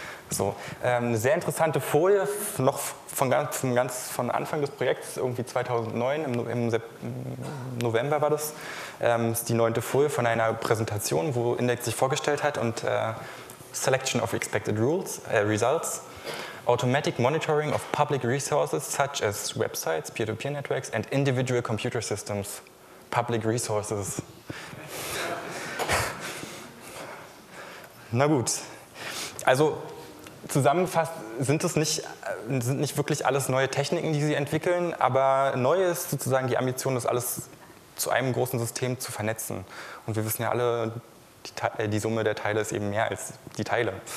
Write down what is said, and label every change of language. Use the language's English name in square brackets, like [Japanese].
[German] So, eine sehr interessante Folie, noch von Anfang des Projekts, irgendwie 2009, im November war das, ist die neunte Folie von einer Präsentation, wo Index sich vorgestellt hat und [English] Selection of Expected Results. Automatic Monitoring of Public Resources such as Websites, Peer-to-Peer Networks and Individual Computer Systems. Public Resources. [German] Na gut. Also zusammengefasst sind es nicht, wirklich alles neue Techniken, die sie entwickeln, aber neu ist sozusagen die Ambition, das alles zu einem großen System zu vernetzen. Und wir wissen ja alle, die Summe der Teile ist eben mehr als die Teile.